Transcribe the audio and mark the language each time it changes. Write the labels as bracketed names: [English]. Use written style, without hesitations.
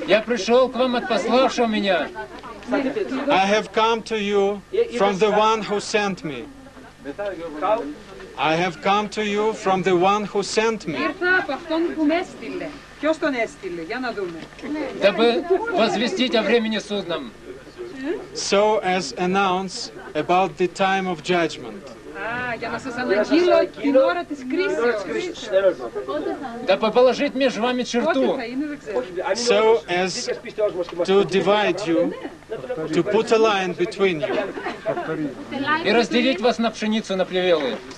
[Russian] Я пришел к вам от пославшего меня. [English] I have come to you from the one who sent me. I have come to you from the one who sent me. [Greek] Ήρθα από αυτόν που με έστειλε. Ποιος τον έστειλε, για να δούμε. [Russian] Дабы возвестить о времени судном. [English] So as announce about the time of judgment. [Greek] Για να σας αναγγείλω την ώρα της κρίσης. [Russian] Да положить между вами черту. [English] So as to divide you, to put a line between you. [Russian] И разделить вас на пшеницу, на плевелы.